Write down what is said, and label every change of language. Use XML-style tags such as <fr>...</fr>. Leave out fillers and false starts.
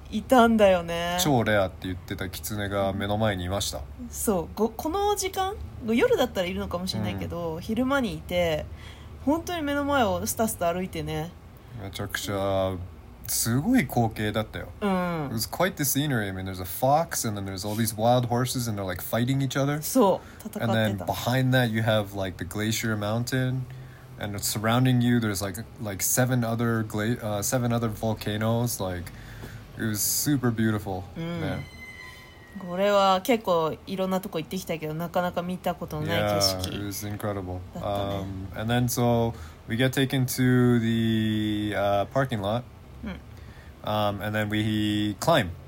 <ja>いたんだよね。超レアって言ってたキツネが目の前にいました。そう、この時間、夜だったらいるのかもしれないけど、昼間にいて、本当に目の前をスタスタ歩いてね。めちゃくちゃすごい光景だったよ。うん。</ja> <en>It was quite the scenery. I mean, there's a fox, and then there's all these wild horses, and they're like fighting each other.</en> <ja>そう、戦ってた。</ja> <en>And then behind that, you have like the glacier mountain, and surrounding you, there's like seven other volcanoes. Like, it was super beautiful. うん。Yeah.</en> <ja>これは結構いろんなとこ行ってきたけど、なかなか見たことのない景色。</ja> <en>Yeah, it was incredible. And then so. We get taken to the parking lot, and then we climb.</en>